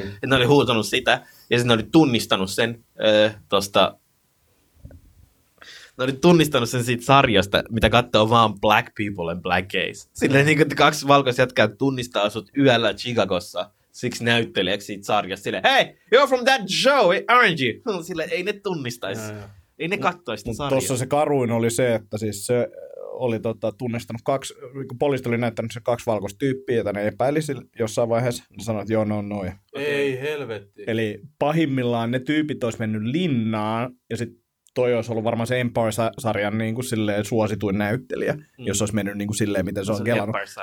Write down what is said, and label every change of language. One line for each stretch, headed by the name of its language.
Finnish: Että ne oli huutanut sitä, ja sitten ne oli tunnistanut sen tosta, ne oli tunnistanut sen siitä sarjasta, mitä katsoo vaan
English: black people and black gays.
Finnish: Silleen, että kaksi valkoista jätkää tunnistaa sut yöllä Chicagossa, siksi näyttelijäksi siitä sarjasta. Silleen,
English: hey, you're from that show, aren't you?
Finnish: Silleen, ei ne tunnistaisi, ei ne katsoisi sitä sarjaa. Tuossa se karuin oli se, että siis se oli tunnistanut kaksi, kun poliisi oli näyttänyt se kaksi valkoista tyyppiä, että ne epäilisi jossain vaiheessa, niin sanoi, että joo, no on noin. Ei helvetti. Eli pahimmillaan ne tyypit olisi mennyt linnaan, ja sitten toi olisi ollut varmaan se Empire-sarjan niin kuin silleen suosituin näyttelijä, jos olisi mennyt niin kuin silleen, miten se on kelannut.